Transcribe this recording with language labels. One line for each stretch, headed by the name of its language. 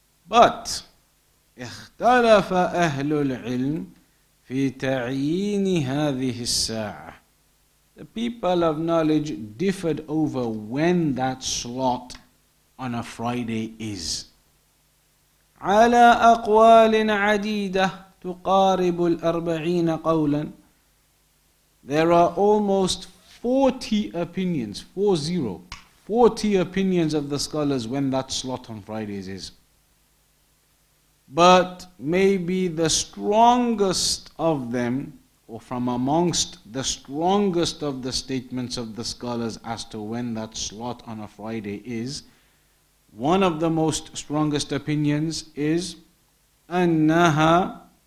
Arabic: But اختلف أهل العلم في تعيين هذه الساعة.
English: The people of knowledge differed over when that slot on a Friday is.
Arabic: على أقوال عديدة تقارب الأربعين قولا.
English: There are almost 40 opinions, 40 opinions of the scholars when that slot on Fridays is. But maybe the strongest of them, or from amongst the strongest of the statements of the scholars as to when that slot on a Friday is, one of the most strongest opinions is أنها,